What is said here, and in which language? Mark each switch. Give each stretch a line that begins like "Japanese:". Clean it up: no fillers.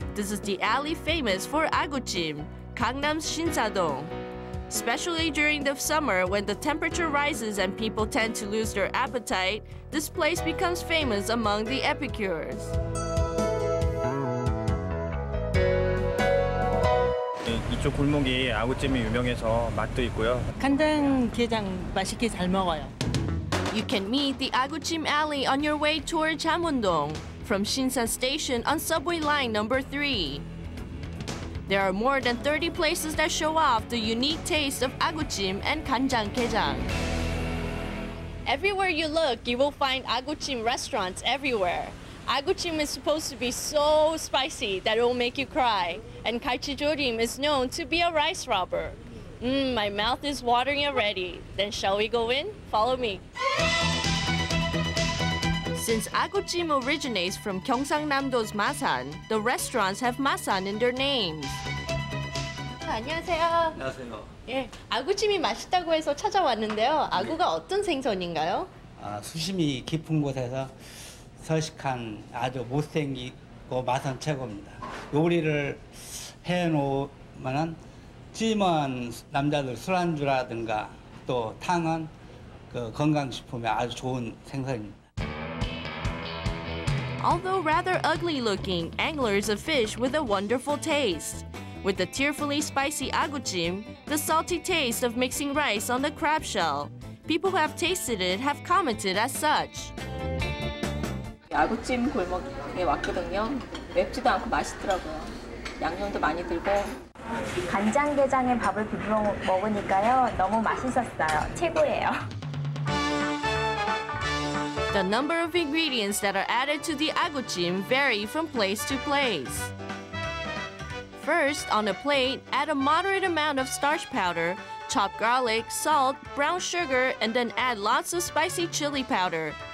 English: This is the alley famous for agujim, Gangnam's Shinsa-dong. Especially during the summer, when the temperature rises and people tend to lose their appetite, this place becomes famous among the epicures. This
Korean: 골목이 아구찜이 유명해서 맛도 있고요. 간장 게장 맛있게 잘 먹어요.
English: You can meet the Agujim Alley on your way toward Jamundong from Shinsa Station on Subway Line Number 3. There are more than 30 places that show off the unique taste of agujim and ganjang gejang. Everywhere you look, you will find agujim restaurants everywhere. Agujim is supposed to be so spicy that it will make you cry. And gaechijorim is known to be a rice robber. My mouth is watering already. Then shall we go in? Follow me. Since agujim originates from Gyeongsangnam-do's Masan, the restaurants have Masan in their names.
Korean: 안녕하세요. 안녕하세요. 예, 아구찜이 맛있다고 해서 찾아왔는데요. 아구가 네. 어떤 생선인가요? 아, 수심이 깊은 곳에서 서식한 아주 못생기고 마산 최고입니다. 요리를 해놓으면은 찜은 남자들 술안주라든가 또 탕은 그 건강식품에 아주 좋은 생선입니다.
English: Although rather ugly looking, angler is a fish with a wonderful taste. With the tearfully spicy agujim, the salty taste of mixing rice on the crab shell. People who have tasted it have commented as such.
Korean: 아구찜 골목에 왔거든요. 맵지도 않고 맛있더라고요. 양념도 많이 들고. 간장게장에 밥을 비벼 먹으니까요. 너무 맛있었어요. 최고예요.
English: The number of ingredients that are added to the agujim vary from place to place. First, on a plate, add a moderate amount of starch powder, chopped garlic, salt, brown sugar, and then add lots of spicy chili powder.